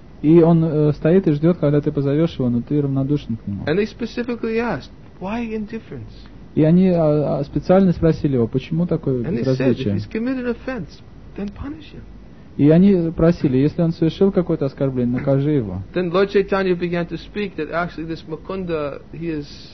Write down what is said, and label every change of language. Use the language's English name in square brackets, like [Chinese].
[Russian] И он стоит и ждет, когда ты позовешь его, но ты равнодушен к нему. [English] And they specifically asked, why indifference? [Russian] И они специально спросили его, почему такое безразличие. [English] And he said, if he's committed an offense, then punish him. [Russian] И они просили, если он совершил какое-то оскорбление, накажи его. [English] Then Lord Chaitanya began to speak that actually this Mukunda, he's